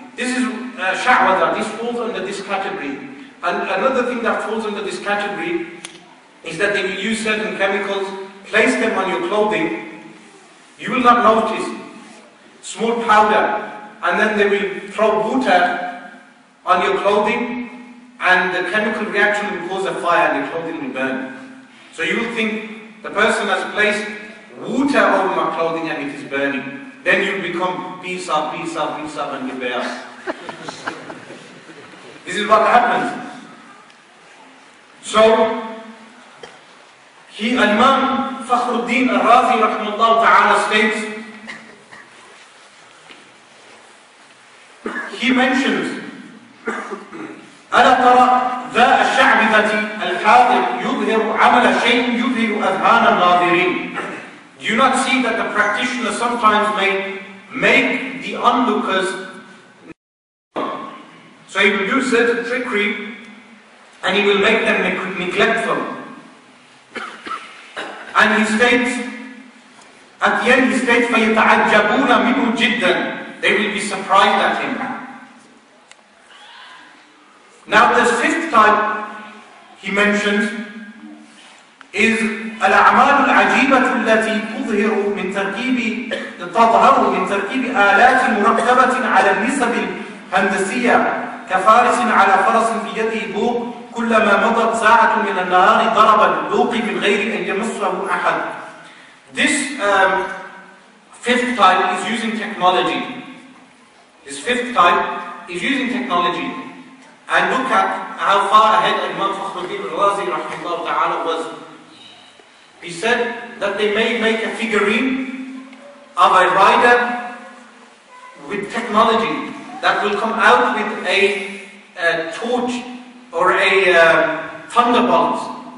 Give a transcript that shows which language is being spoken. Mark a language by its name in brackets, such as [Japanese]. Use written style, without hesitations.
[English] This is shahwada, this falls under this category. And another thing that falls under this category is that they will use certain chemicals, place them on your clothing, you will not notice, small powder, and then they will throw water on your clothing, and the chemical reaction will cause a fire and the clothing will burn. So you will think the person has placed water over my clothing and it is burning. Then you become peace up and give up. This is what happens. So, he Imam Fakhruddin al-Razi rahmatullah ta'ala states, he mentions, [Arabic] أَلَا تَرَى ذَا الشَّعْبِذَةِ الْحَاضِرِ يُظْهِرُ عَمَلَ شَيْءٍ يُظْهِرُ أَذْهَانَ النَّاظِرِينَ. [English] Do you not see that the practitioner sometimes may make the onlookers so he will do certain trickery and he will make them neglectful. And he states, at the end he states, [Arabic] فَيَتَعَجَّبُونَ مِنْهُ جِدًّا. [English] They will be surprised at him. Now the fifth type he mentions is [Arabic] al-amal al-ajibah allati tuzhiru min tarkibi [English] the [Arabic] تظهر من تركيب آلات مركبة على النسب الهندسية كفارس على فرس في يده بوق كلما مضت ساعة من النهار ضرب اللوق من غير أن يمسه أحد. [English] This fifth type is using technology. This fifth type is using technology. And look at how far ahead Imam Fakhruddin al-Razi rahimahullah ta'ala was. He said that they may make a figurine of a rider with technology that will come out with a torch or a thunderbolt.